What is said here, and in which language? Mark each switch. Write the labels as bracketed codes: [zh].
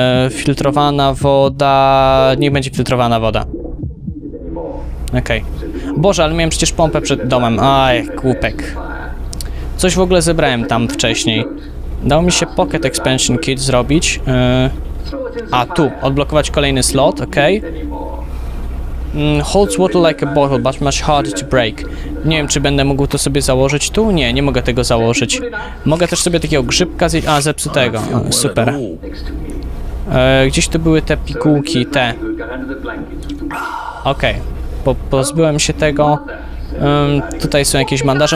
[pl] Filtrowana woda... Niech będzie filtrowana woda. Okej. Boże, ale miałem przecież pompę przed domem. Aj, głupek. Coś w ogóle zebrałem tam wcześniej. Dało mi się Pocket Expansion Kit zrobić. Tu. Odblokować kolejny slot, okej. [en] Holds water like a bottle, but much harder to break. [pl] Nie wiem, czy będę mógł to sobie założyć tu? Nie, nie mogę tego założyć. Mogę też sobie takiego grzybka zjeść... zepsutego. Super. Gdzieś tu były te pigułki, te. Okej. Pozbyłem się tego. Tutaj są jakieś bandaże.